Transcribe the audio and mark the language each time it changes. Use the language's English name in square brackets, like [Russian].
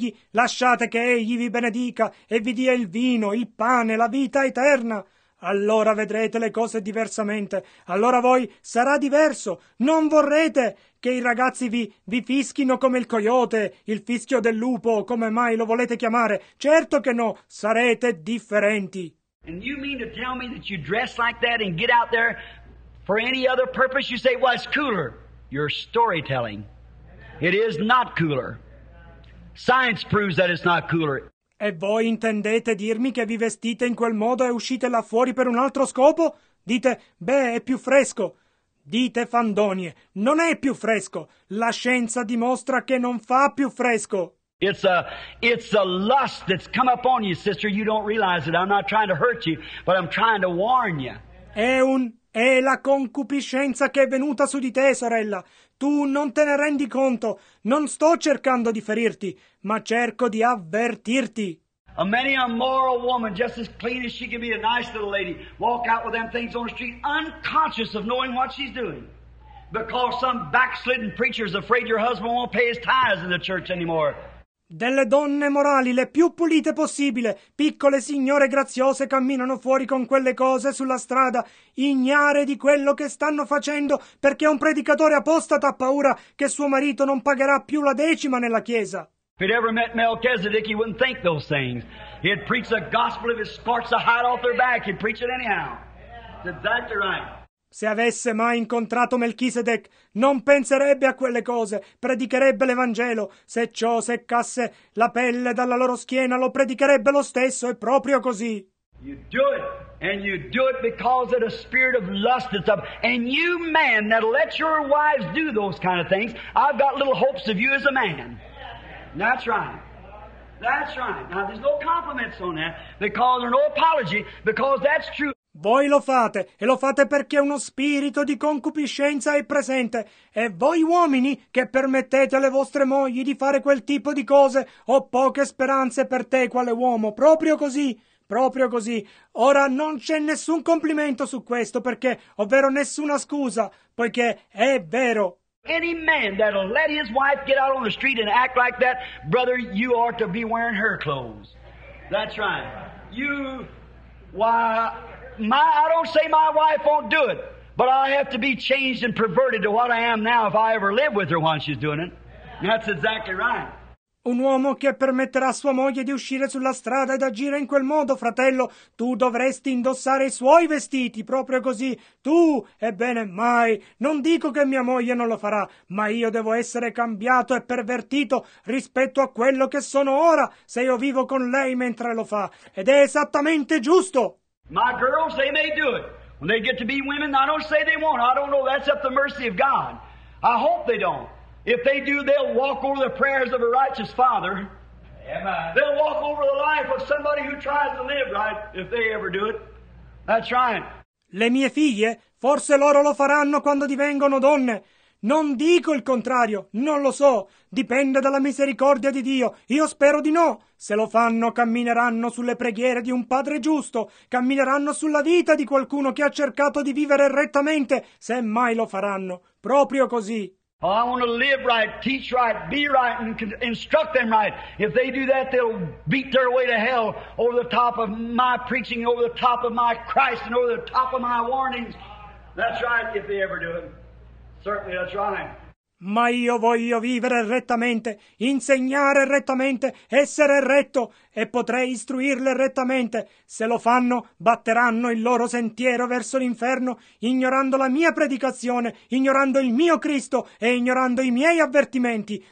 [Italian] Lasciate che egli vi benedica e vi dia il vino, il pane, la vita eterna. Allora vedrete le cose diversamente. Allora voi sarà diverso. Non vorrete che i ragazzi vi fischino come il coyote, il fischio del lupo, come mai lo volete chiamare. Certo che no, sarete differenti. [English] And you mean to tell me that you dress like that and get out there for any other purpose? You say, well, it's cooler. You're storytelling. It is not cooler. Science proves that it's not cooler. [Italian] E voi intendete dirmi che vi vestite in quel modo e uscite là fuori per un altro scopo? Dite, beh, è più fresco. Dite fandonie, non è più fresco. La scienza dimostra che non fa più fresco. [English] It's a lust that's come upon you, sister. You don't realize it. I'm not trying to hurt you, but I'm trying to warn you. [Italian] È la concupiscenza che è venuta su di te, sorella. Tu non te ne rendi conto. Non sto cercando di ferirti, ma cerco di avvertirti. [English] A many a moral woman, just as clean as she can be, a nice little lady, walk out with them things on the street, unconscious of knowing what she's doing. Because some backslidden preacher is afraid your husband won't pay his tithes in the church anymore. [Italian] Delle donne morali, le più pulite possibile, piccole signore graziose camminano fuori con quelle cose sulla strada, ignare di quello che stanno facendo perché un predicatore apostata ha paura che suo marito non pagherà più la decima nella chiesa. [English] If he'd ever met Melchizedek, he wouldn't think those things. He'd preach the gospel if it sparks the hide off their back, he'd preach it anyhow. That's exactly right. [Italian] Se avesse mai incontrato Melchisedec, non penserebbe a quelle cose, predicherebbe l'Evangelo. Se ciò seccasse la pelle dalla loro schiena, lo predicherebbe lo stesso, è proprio così. [English] You do it, and you do it because of the spirit of lust that's up. And you men that let your wives do those kind of things, I've got little hopes of you as a man. That's right. That's right. Now there's no compliments on that, because there's no apology, because that's true. [Italian] Voi lo fate, e lo fate perché uno spirito di concupiscenza è presente. E voi uomini che permettete alle vostre mogli di fare quel tipo di cose, ho poche speranze per te quale uomo. Proprio così, proprio così. Ora non c'è nessun complimento su questo, perché, ovvero nessuna scusa, poiché è vero. [English] Any man that'll let his wife get out on the street and act like that, brother, you ought to be wearing her clothes. That's right. You, why... I don't say my wife won't do it, but I have to be changed and perverted to what I am now if I ever live with her while she's doing it. That's exactly right. [Italian] Un uomo che permetterà a sua moglie di uscire sulla strada ed agire in quel modo, fratello, tu dovresti indossare i suoi vestiti, proprio così. Tu, ebbene, mai. Non dico che mia moglie non lo farà, ma io devo essere cambiato e pervertito rispetto a quello che sono ora se io vivo con lei mentre lo fa. Ed è esattamente giusto. [English] My girls, they may do it. When they get to be women, I don't say they won't. I don't know. That's up to the mercy of God. I hope they don't. If they do, they'll walk over the prayers of a righteous father. Amen. They'll walk over the life of somebody who tries to live right, if they ever do it. That's right. [Italian] Le mie figlie, forse loro lo faranno quando divengono donne. Non dico il contrario, non lo so. Dipende dalla misericordia di Dio. Io spero di no. Se lo fanno, cammineranno sulle preghiere di un padre giusto. Cammineranno sulla vita di qualcuno che ha cercato di vivere rettamente, se mai lo faranno. Proprio così. [English] Oh, I want to live right, teach right, be right, and instruct them right. If they do that, they'll beat their way to hell over the top of my preaching, over the top of my Christ, and over the top of my warnings. That's right, if they ever do it. Certainly, that's right. [Italian] Ma io voglio vivere rettamente, insegnare rettamente, essere retto, e potrei istruirle rettamente. Se lo fanno, batteranno il loro sentiero verso l'inferno, ignorando la mia predicazione, ignorando il mio Cristo e ignorando i miei avvertimenti.